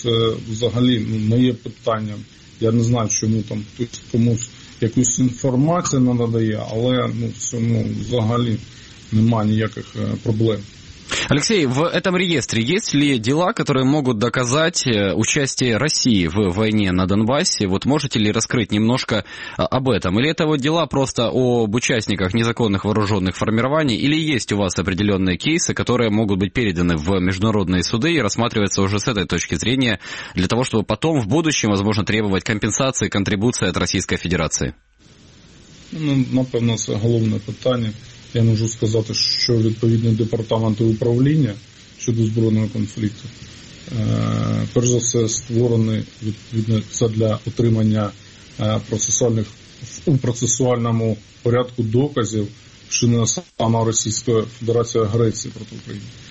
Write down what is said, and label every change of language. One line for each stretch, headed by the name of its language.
Ukrainian: Це взагалі не є питанням. Я не знаю, чому там хтось комусь якусь інформацію не надає, але ну, в цьому взагалі немає ніяких проблем.
Russian: Алексей, в этом реестре есть ли дела, которые могут доказать участие России в войне на Донбассе? Вот можете ли раскрыть немножко об этом? Или это вот дела просто об участниках незаконных вооруженных формирований? Или есть у вас определенные кейсы, которые могут быть переданы в международные суды и рассматриваться уже с этой точки зрения, для того, чтобы потом в будущем, возможно, требовать компенсации, контрибуции от Российской Федерации?
Ukrainian: Ну, напевно, это главное питание. Я можу сказати, що відповідний департамент управління щодо збройного конфлікту, перш за все, створений відповідно для отримання процесуальних у процесуальному порядку доказів вчинення саме Російської Федерації агресії проти України.